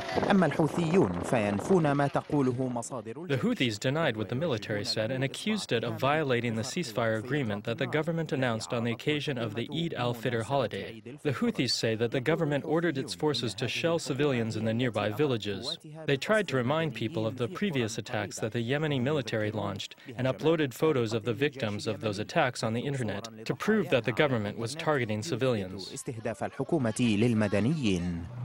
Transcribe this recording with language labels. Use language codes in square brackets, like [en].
[ar] أما الحوثيون فينفون ما تقوله مصادر. [en] The Houthis denied what the military said and accused it of violating the ceasefire agreement that the government announced on the occasion of the Eid al-Fitr holiday. The Houthis say that the government ordered its forces to shell civilians in the nearby villages. They tried to remind people of the previous attacks that the Yemeni military launched and uploaded photos of the victims of those attacks on the internet to prove that the government was targeting civilians. [ar] استهداف الحكومة للمدنيين.